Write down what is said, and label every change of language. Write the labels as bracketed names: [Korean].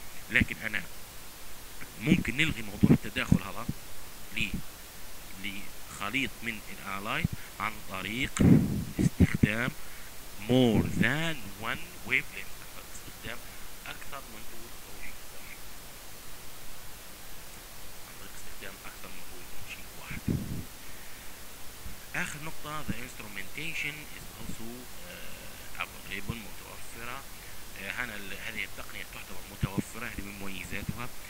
[Arabic] لكن انا ممكن نلغي موضوع التداخل هذا لخليط من الانلايت عن طريق استخدام [English] more than one wavelength، [Arabic] أكثر من طول موجين واحد، عن طريق استخدام أكثر من طول موجين واحد. آخر نقطة [English] the instrumentation is also available، [Arabic] متوفرة. هنا هذه التقنية تعتبر متوفرة، هذه من مميزاتها.